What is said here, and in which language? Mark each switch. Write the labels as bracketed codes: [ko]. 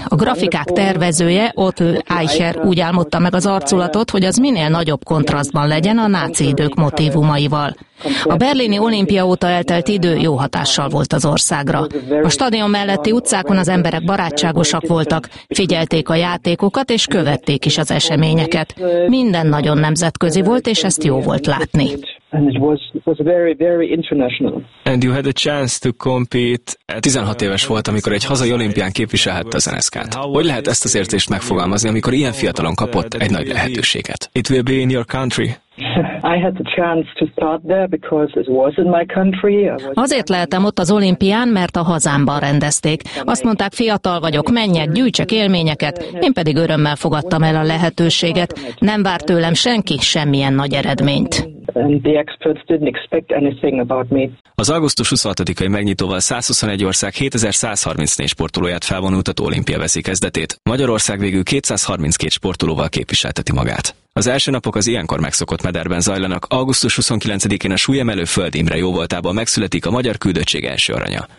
[hu] A grafikák tervezője, Otto Eicher úgy álmodta meg az arculatot, hogy az minél nagyobb kontrasztban legyen a náci idők motívumaival. A berlini olimpia óta eltelt idő jó hatással volt az országra. A stadion melletti utcákon az emberek barátságosak voltak, figyelték a játékokat és követték is az eseményeket. Minden nagyon nemzetközi volt, és ezt jó volt látni. [en] And it was very, very international. And you had a chance to compete. [hu] 16 éves volt, amikor egy hazai olimpián képviselhette az NSK-t. Hogy lehet ezt az érzést megfogalmazni, amikor ilyen fiatalon kapott egy nagy lehetőséget? [en] It will be in your country. I had the chance to start there because it was in my country. [hu] Azért lehettem ott az olimpián, mert a hazámban rendezték. Azt mondták, fiatal vagyok, menjek, gyűjtsek élményeket. Én pedig örömmel fogadtam el a lehetőséget. Nem várt tőlem senki semmilyen nagy eredményt. [en] And the experts didn't expect anything about me. [hu] Az augusztus 26-ai megnyitóval 121 ország 7134 sportolóját felvonultató olimpia veszi kezdetét. Magyarország végül 232 sportolóval képviselteti magát. Az első napok az ilyenkor megszokott mederben zajlanak. Augusztus 29-én a súlyemelő Föld Imre jóvoltában megszületik a magyar küldöttség első aranya.